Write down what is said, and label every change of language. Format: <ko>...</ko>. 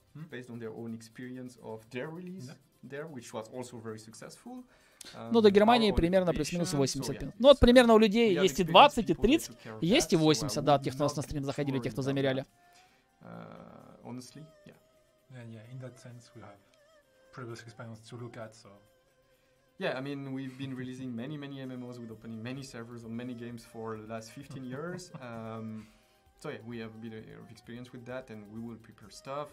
<en>Based on their own experience of their release there, which was also very successful.</en> <ru>Ну, до Германии примерно плюс-минус 80 пин. Ну, вот примерно у людей есть и 20, и 30, есть и 80, да, тех, кто у нас на стрим заходили, тех, кто замеряли.</ru> <en>Honestly, yeah. In that sense, we have previous experience to look at, so. Yeah, I mean, we've been releasing many, many MMOs with opening many servers on many games for the last 15 years. So yeah, we have a bit of experience with that, and we will prepare stuff.</en>